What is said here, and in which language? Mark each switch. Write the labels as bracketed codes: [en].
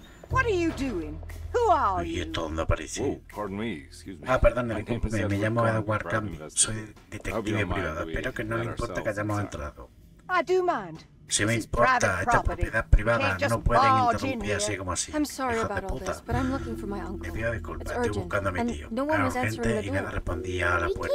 [en] What are you doing? Who are you? [es] ¿Y esto dónde apareció? [en] Pardon me, excuse me. [es] Ah, perdóname, me llamo Edward Cambi. Soy detective privado. Espero que no le importe que hayamos entrado. [en] I do mind. [es] Si me importa, esta es propiedad privada. No pueden interrumpir así como así. [en] I'm sorry about all this, but I'm looking for my uncle. [es] Me pido disculpas, estoy buscando a mi tío. Era urgente y nadie respondía a la puerta.